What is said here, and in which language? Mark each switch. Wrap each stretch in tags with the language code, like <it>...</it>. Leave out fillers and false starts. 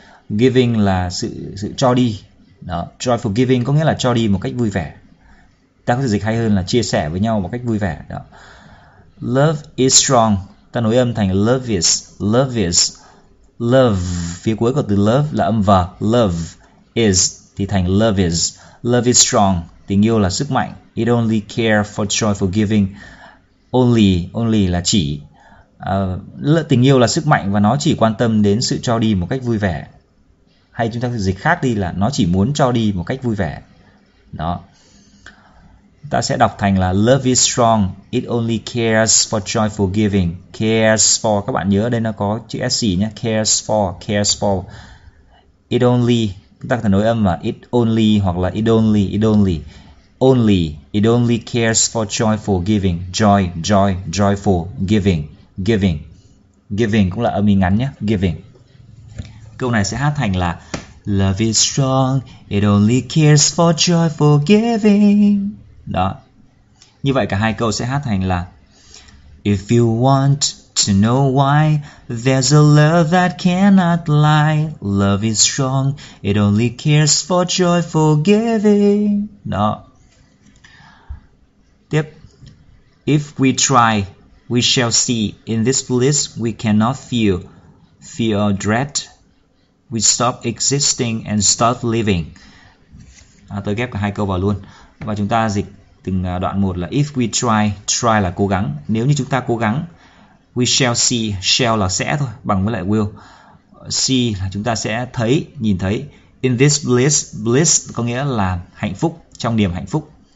<vi>Giving là sự cho đi. Đó, joyful giving có nghĩa là cho đi một cách vui vẻ. Ta có thể dịch hay hơn là chia sẻ với nhau một cách vui vẻ.</vi> <en>Đó. Love is strong.</en> <vi>Ta nối âm thành</vi> <en>love is. Love is. Love.</en> <vi>Phía cuối của từ love là âm vờ.</vi> <en>Love is thì thành love is. Love is strong.</en> <vi>Tình yêu là sức mạnh.</vi> <en>It only cares for joyful giving.</en> <vi>Only là chỉ. Tình yêu là sức mạnh và nó chỉ quan tâm đến sự cho đi một cách vui vẻ. Hay chúng ta có thể dịch khác đi là nó chỉ muốn cho đi một cách vui vẻ. Đó. Ta sẽ đọc thành là</vi> <en>love is strong. It only cares for joyful giving. Cares for.</en> <vi>Các bạn nhớ ở đây nó có chữ SC nhé. Cares for. It only. Chúng ta có thể nối âm là it only hoặc là it only.</vi> <en>Only, it only cares for joyful giving. Joyful giving.</en> <vi>Giving cũng là âm ý ngắn nhé, giving. Câu này sẽ hát thành là</vi> <en>love is strong, it only cares for joyful giving. Đó.</en> <vi>Như vậy cả hai câu sẽ hát thành là</vi> <en>if you want to know why, there's a love that cannot lie. Love is strong, it only cares for joyful giving. Đó. Tiếp. If we try, we shall see. In this bliss, we cannot feel. Feel dread. We stop existing and start living.</en> <vi>Tôi ghép cả hai câu vào luôn. Và chúng ta dịch từng đoạn một là</vi> <en>if we try,</en> <vi>try là cố gắng. Nếu như chúng ta cố gắng, we shall see, shall là sẽ thôi, bằng với lại will. See là chúng ta sẽ thấy, nhìn thấy. In this bliss, bliss có nghĩa là hạnh phúc, trong niềm hạnh phúc.</vi>